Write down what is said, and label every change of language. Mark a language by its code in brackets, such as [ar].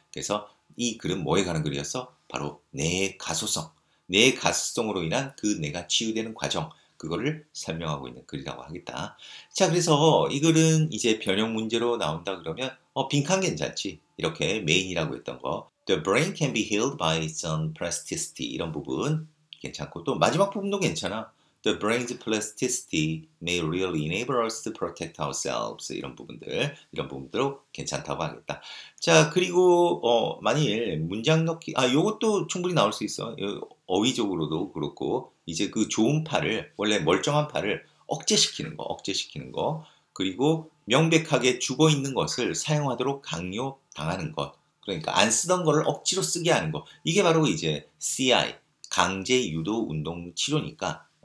[ko] 그래서 이 글은 뭐에 관한 글이었어? 바로 뇌의 가소성. 뇌의 가소성으로 인한 그 뇌가 치유되는 과정. 그거를 설명하고 있는 글이라고 하겠다. 자, 그래서 이 글은 이제 변형 문제로 나온다 그러면 빈칸 괜찮지? 이렇게 메인이라고 했던 거. [en] The brain can be healed by its own plasticity. [ko] 이런 부분 괜찮고 또 마지막 부분도 괜찮아. [en] The brain's plasticity may really enable us to protect ourselves. [ko] 이런 부분도 괜찮다고 하겠다. 자, 그리고 만일 문장 넣기, 이것도 충분히 나올 수 있어. 어휘적으로도 그렇고 이제 그 좋은 팔을 원래 멀쩡한 팔을 억제시키는 거 그리고 명백하게 죽어 있는 것을 사용하도록 강요당하는 것 그러니까 안 쓰던 거를 억지로 쓰게 하는 거 이게 바로 이제 CI 강제 유도 운동 치료니까